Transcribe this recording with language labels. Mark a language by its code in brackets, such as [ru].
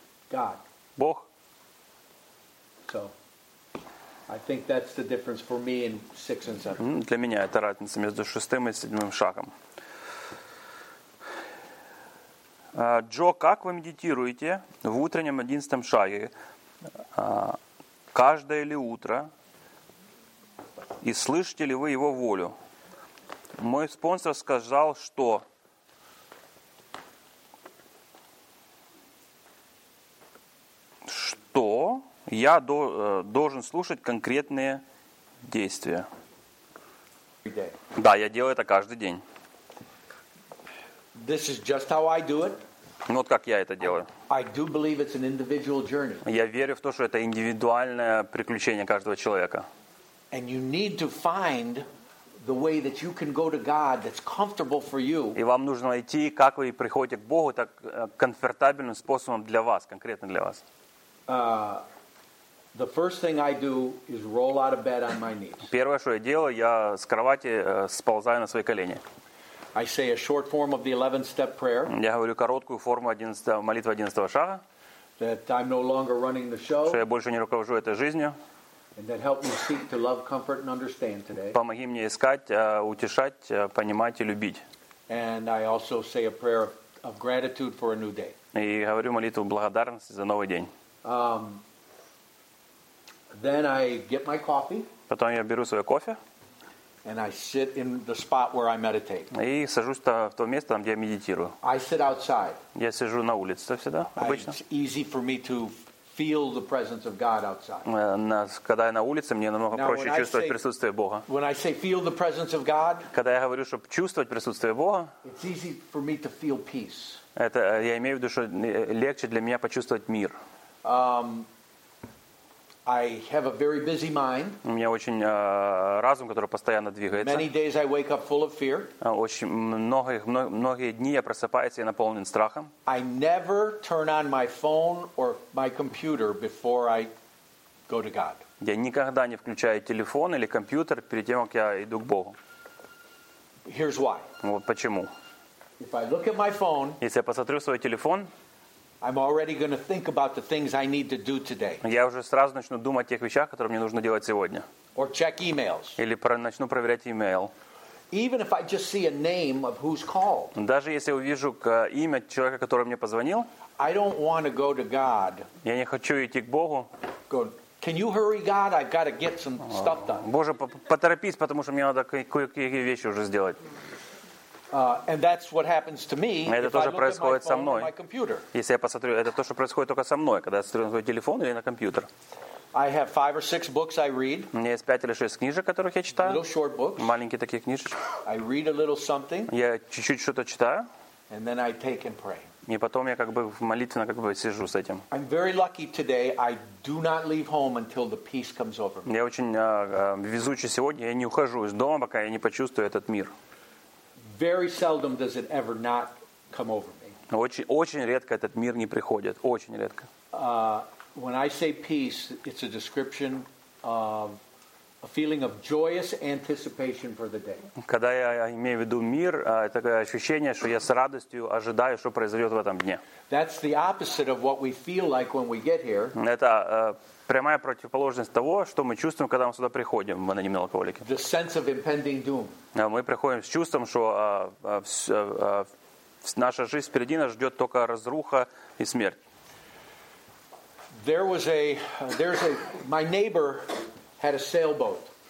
[en] God. [ru] Бог. [en] So, I think that's the difference for me in 6 and 7. [ru] Для меня это разница между шестым и седьмым шагом. Джо, как вы медитируете в утреннем 11-м шаге? Каждое ли утро? И слышите ли вы его волю? Мой спонсор сказал, что... Что я должен слушать конкретные действия? Да, я делаю это каждый день. [en] This is just how I do it. [ru] Ну вот как я это делаю. [en] I do believe it's an individual journey. [ru] Я верю в то, что это индивидуальное приключение каждого человека. [en] And you need to find the way that you can go to God that's comfortable for you. [ru] И вам нужно найти, как вы приходите к Богу так комфортабельным способом для вас, конкретно для вас. [en] The first thing I do is roll out of bed on my knees. [ru] Первое, что я делаю, я с кровати сползаю на свои колени. [en] I say a short form of the 11-step prayer. [ru] Я говорю короткую форму 11 молитвы 11-го шага. [en] That I'm no longer running the show. [ru] Что я больше не руковожу этой жизнью. [en] And that help me seek to love, comfort, and understand today. [ru] Помоги мне искать, утешать, понимать и любить. [en] And I also say a prayer of gratitude for a new day. [ru] И говорю молитву благодарности за новый день. [en] Then I get my coffee. [ru] Потом я беру свой кофе. [en] And I sit in the spot where I meditate. [ru] И сажусь в то место, где я медитирую. [en] I sit outside. [ru] Я сижу на улице всегда, обычно. [en] It's easy for me to feel the presence of God outside. [ru] Когда я на улице, мне намного проще чувствовать присутствие Бога. [en] When I say feel the presence of God, [ru] когда я говорю, чтобы чувствовать присутствие Бога, [en] it's easy for me to feel peace. [ru] Это я имею в виду, что легче для меня почувствовать мир. [en] I have a very busy mind. [ru] У меня очень разум, который постоянно двигается. [en] Many days I wake up full of fear. [ru] Многие дни я просыпаюсь и наполнен страхом. [en] I never turn on my phone or my computer before I go to God. [ru] Я никогда не включаю телефон или компьютер перед тем, как я иду к Богу. [en] Here's why. [ru] Вот почему. [en] If I look at my phone. [ru] Если я посмотрю свой телефон. [en] I'm already going to think about the things I need to do today. [ru] Я уже сразу начну думать о тех вещах, которые мне нужно делать сегодня. [en] Or check emails. [ru] Или начну проверять email. [en] Even if I just see a name of who's called. [ru] Даже если увижу имя человека, который мне позвонил. [en] I don't want to go to God. [ru] Я не хочу идти к Богу. [en] Can you hurry, God? I've got to get some stuff done. [ru] Боже, поторопись, потому что мне надо кое-какие вещи уже сделать. [en] And that's what happens to me. [ru] Это тоже происходит со мной. [en] My computer. [ru] Если я посмотрю, это то, что происходит только со мной, когда я смотрю на свой телефон или на компьютер. [en] I have 5 or 6 books I read. [ru] У меня есть 5 или 6 книжек, которых я читаю. [en] Little short books. [ru] Маленькие такие книжечки. [en] I read a little something. [ru] Я чуть-чуть что-то читаю. [en] And then I take and pray. [ru] И потом я в молитвенно сижу с этим. [en] I'm very lucky today. I do not leave home until the peace comes over me. [ru] Я очень везучий сегодня. Я не ухожу из дома, пока я не почувствую этот мир. Very seldom does it ever not come over me. Очень, очень редко этот мир не приходит. Очень редко. [en] When I say peace, it's a description of a feeling of joyous anticipation for the day. [ru] Когда я имею в виду мир, это такое ощущение, что я с радостью ожидаю, что произойдет в этом дне. [en] That's the opposite of what we feel like when we get here. [ru] Это прямая противоположность того, что мы чувствуем, когда мы сюда приходим, в анонимные алкоголики. [en] The sense of impending doom. [ru] Мы приходим с чувством, что наша жизнь впереди нас ждет только разруха и смерть. [en] There was a, my neighbor had a sailboat.